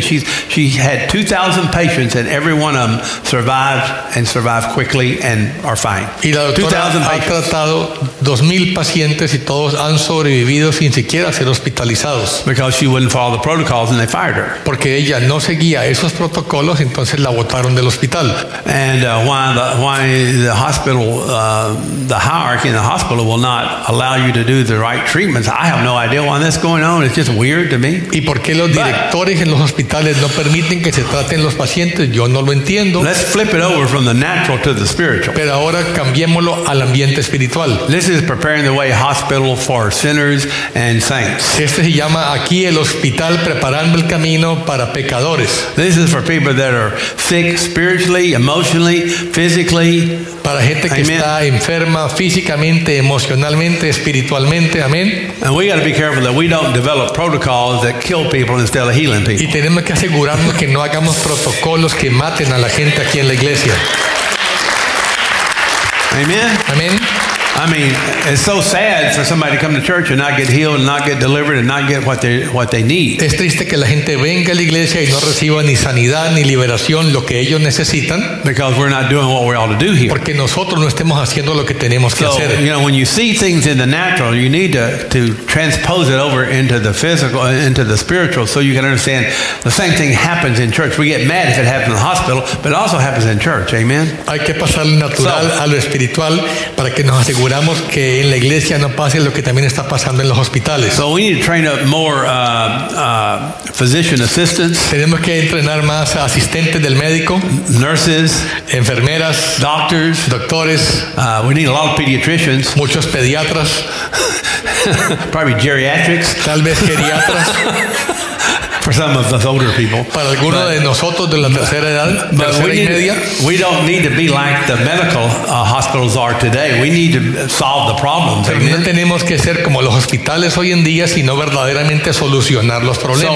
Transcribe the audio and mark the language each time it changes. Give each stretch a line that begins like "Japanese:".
English: She had 2,000 patients and every one of them survived and survived quickly and are fine.
Spanish: Y la doctora ha tratado 2,000 pacientes y todos han sobrevivido sin siquiera ser hospitalizados.
English: Because she wouldn't follow the protocols and they fired her.
Spanish: Porque ella no seguía esos protocolos, entonces la botaron del hospital.
English: And why the hospital, the hierarchy in the hospital will not allow you to do the right treatments, I have no idea why that's going on. It's just weird to me.
Spanish: ¿Y por qué los directores en los hospitales no permiten que se traten los pacientes? Yo no lo entiendo.
English: Let's flip it over from the natural to the spiritual.
Spanish: Pero ahora cambiémoslo al ambiente espiritual.
English: This is preparing the way hospital for sinners and saints.
Spanish: Este se llama aquí el hospital preparando el camino para pecadores.
English: This is for people that are sick spiritually, emotionally, physically.
Spanish: Para gente que está enferma físicamente, emocionalmente, espiritualmente. Amén.
English: And we got to be careful that we don't develop protocols that kill people.
Spanish: Y tenemos que asegurarnos que no hagamos protocolos que maten a la gente aquí en la iglesia. Amén.
English: I mean, it's so sad for somebody to come to church and not get healed and not get delivered and not get what they need.
Spanish: Es triste que la gente venga a la iglesia y no reciba ni sanidad ni liberación, lo que ellos necesitan.
English: Because we're not doing what we ought to do here.
Spanish: Porque nosotros no estemos haciendo lo que tenemos que hacer.
English: So, you know, when you see things in the natural, you need to transpose it over into the physical, into the spiritual, so you can understand the same thing happens in church. We get mad if it happens in the hospital, but it also happens in church. Amen?
Spanish: Hay que pasar lo natural a lo espiritual para que nos asegure. Aseguramos que en la iglesia no pase lo que también está pasando en los hospitales.
English: So we need to train up more physician assistants.
Spanish: Tenemos que entrenar más asistentes del médico,
English: nurses,
Spanish: enfermeras,
English: doctores. We need a lot of pediatricians.
Spanish: Muchos pediatras.
English: Probably geriatrics.
Spanish: Tal vez geriatras.
English: For some of us older people.
Spanish: Para algunos de nosotros de la tercera edad,
English: we don't need to be like the medical hospitals are today. We need to solve the problems.
Spanish: No tenemos que ser como los hospitales hoy en día, sino verdaderamente solucionar los problemas.